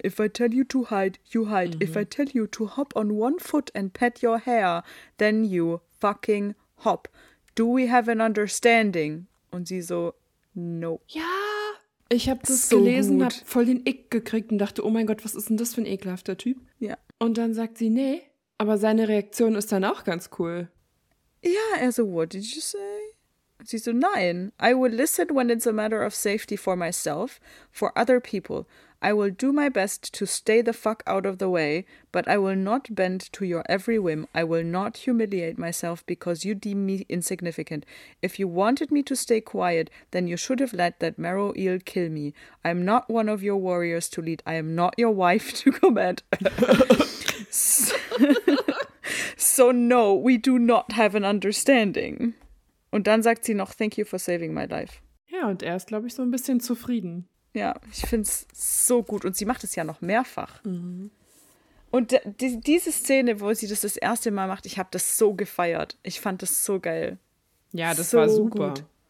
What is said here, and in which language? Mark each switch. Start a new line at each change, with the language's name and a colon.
English: If I tell you to hide, you hide. Mhm. If I tell you to hop on one foot and pat your hair, then you fucking hop. Do we have an understanding?
German: Und sie so,
English: no.
German: Ja, ich habe das so gelesen, habe voll den Ick gekriegt und dachte, oh mein Gott, was ist denn das für ein ekelhafter Typ? Ja. Und dann sagt sie, nee. Aber seine Reaktion ist dann auch ganz cool. Ja, er so,
English: what did you say?
German: Sie so, nein.
English: I will listen when it's a matter of safety for myself, for other people. I will do my best to stay the fuck out of the way, but I will not bend to your every whim. I will not humiliate myself because you deem me insignificant. If you wanted me to stay quiet, then you should have let that marrow eel kill me. I am not one of your warriors to lead. I am not your wife to command. So no, we do not have an understanding.
German: Und dann sagt sie noch,
English: thank you for saving my life.
German: Ja, und er ist, glaube ich, so ein bisschen zufrieden. Ja, ich finde es so gut. Und sie macht es ja noch mehrfach. Mhm. Und diese Szene, wo sie das erste Mal macht, ich habe das so gefeiert. Ich fand das so geil. Ja, das war super. Gut.